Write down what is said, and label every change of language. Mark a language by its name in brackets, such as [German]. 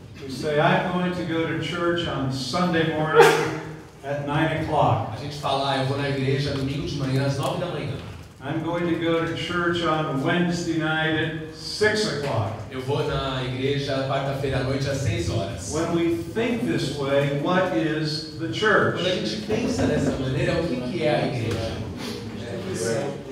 [English] We say, I'm going to go to church on Sunday morning at 9 o'clock. [Portuguese] A gente fala, eu vou na igreja domingo de manhã às 9 da manhã. [English] I'm going to go to church on Wednesday night at 6 o'clock. [Portuguese] Eu vou na igreja quarta-feira à noite às 6 horas. [English] When we think this way, what is the church? [Portuguese] Quando a gente pensa dessa maneira, o que é a igreja?